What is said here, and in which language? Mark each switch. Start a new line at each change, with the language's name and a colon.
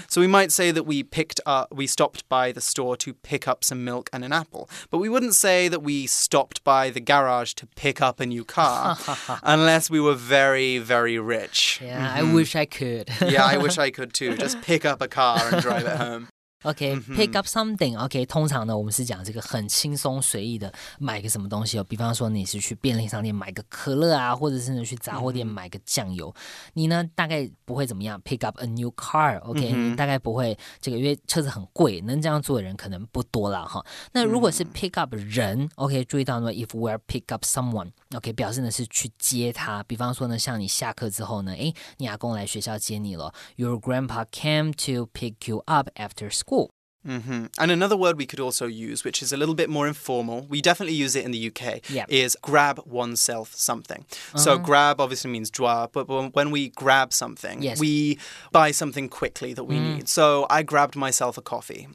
English: So we might say that we stopped by the store to pick up some milk and an apple. But we wouldn't say that we stopped by the garage to pick up a new car unless we were very, very rich. Yeah, mm-hmm. I wish I could. Yeah, I wish I could too. Just pick up a car and drive it home. Okay, pick up something.
Chinese: Okay, 通常呢，我们是讲这个很轻松随意的买个什么东西哦。比方说，你是去便利商店买个可乐啊，或者是去杂货店买个酱油。你呢，大概不会怎么样
English: pick up a new car.
Chinese: Okay, 你大概不会这个，因为车子很贵，能这样做的人可能不多了哈。那如果是 pick up 人 ，Okay, 注意到呢 ，
English: if we're pick up someone,
Chinese: Okay, 表示呢是去接他。比方说呢，像你下课之后呢，哎，你阿公来学校接你了。
English: Your grandpa came to pick you up after school. Cool. Mm-hmm. And another word we could also use, which is a little bit more informal, we definitely use it in the UK, yep. is grab oneself something. Uh-huh. So grab obviously means draw, but when we grab something, yes. we buy something quickly that we need. So I grabbed myself a coffee.